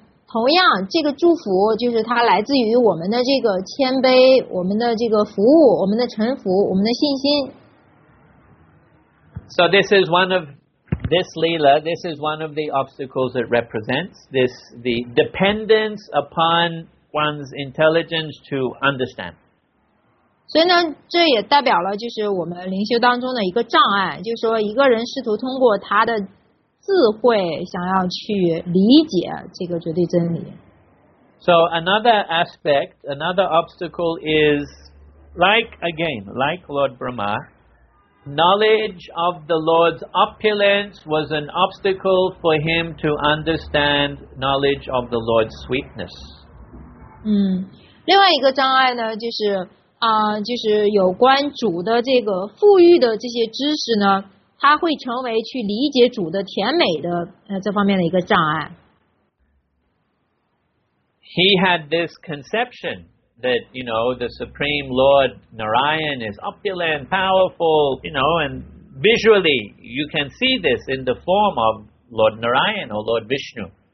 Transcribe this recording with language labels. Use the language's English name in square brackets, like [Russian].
[Chinese] 同样这个祝福就是它来自于我们的这个谦卑，我们的这个服务，我们的臣服，我们的信心。 [English] So this is one of this Leela, this is one of the obstacles it represents, this, the dependence upon one's intelligence to understand. [Chinese] 所以呢，这也代表了就是我们灵修当中的一个障碍，就是说一个人试图通过他的智慧想要去理解这个绝对真理。 [English] So another aspect, another obstacle is like Lord Brahma, knowledge of the Lord's opulence was an obstacle for him to understand knowledge of the Lord's sweetness. [Chinese] 另外一个障碍呢，就是就是有关主的这个富裕的这些知识呢，它会成为去理解主的甜美的这方面的一个障碍。 [English] He had this conception that, you know, the Supreme Lord Narayan is opulent, powerful, you know, and visually you can see this in the form of Lord Narayan or Lord Vishnu.